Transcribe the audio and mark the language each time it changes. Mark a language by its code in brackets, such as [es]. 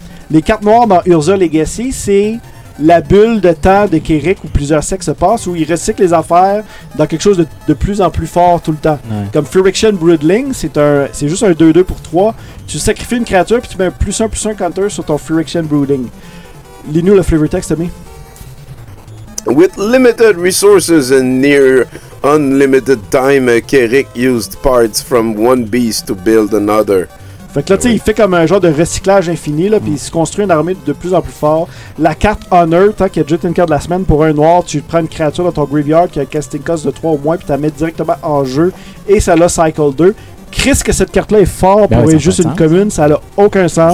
[fr] Les cartes noires dans Urza Legacy, c'est... la bulle de temps de Kirik où plusieurs siècles se passent, où il recycle les affaires dans quelque chose de plus en plus fort tout le temps. Ouais. Comme Furiction Broodling, c'est juste un 2-2 pour 3. Tu sacrifies une créature puis tu mets un +1/+1 counter sur ton Furiction Broodling. Lis-nous le flavor text, Tommy. [en] With limited resources and near unlimited time, Kirik used parts from one beast to build another. [fr] Fait que là, tu sais, il fait comme un genre de recyclage infini, là, puis il se construit une armée de plus en plus fort. La carte Honor, tant qu'il y a déjà une carte de la semaine, pour un noir, tu prends une créature dans ton graveyard qui a un casting cost de 3 au moins, puis tu la mets directement en jeu, et ça a Cycle 2. Chris, que cette carte-là est fort pour être juste une commune, ça n'a aucun sens.